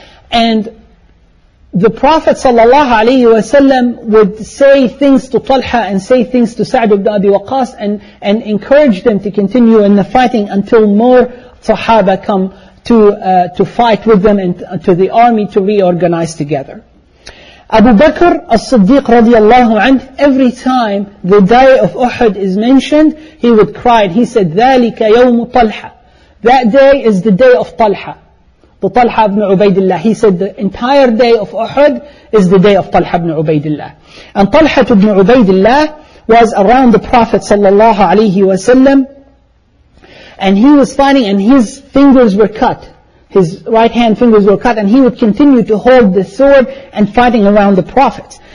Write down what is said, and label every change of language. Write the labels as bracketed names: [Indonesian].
[English] And the Prophet sallallahu alayhi wa sallam would say things to Talha and say things to Sa'd ibn Abi Waqas and encourage them to continue in the fighting until more Sahaba come to fight with them and to the army to reorganize together. Abu Bakr as-Siddiq radiallahu anhu, every time the day of Uhud is mentioned, he would cry. He said, [Arabic] ذَلِكَ يَوْمُ طَلْحَ. [English] That day is the day of Talha. The Talha ibn Ubaidillah. He said, the entire day of Uhud is the day of Talha ibn Ubaidillah. And Talha ibn Ubaidillah was around the Prophet sallallahu alayhi wa sallam. And he was fighting and his fingers were cut. His right hand fingers were cut and he would continue to hold the sword and fighting around the Prophet.